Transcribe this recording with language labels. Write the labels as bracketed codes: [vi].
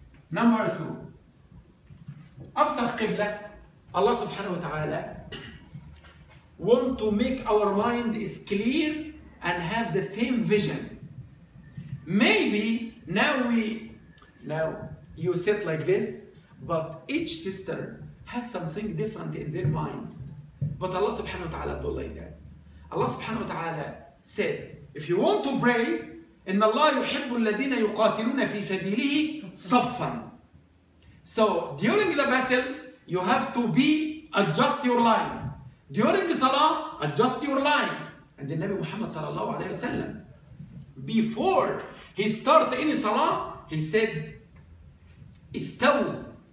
[en] Number two, after al-qibla, Allah subhanahu wa ta'ala want to make our mind is clear and have the same vision. Maybe Now you sit like this, but each sister has something different in their mind. But Allah subhanahu wa ta'ala do like that. Allah subhanahu wa ta'ala said, if you want to pray, [ar] إن الله يحب الذين يقاتلون في سبيله صفاً. [en] So during the battle, you have to be adjust your line. During the salah, adjust your line. And the Nabi Muhammad صلى الله عليه وسلم, before he start any salah, he said, استو.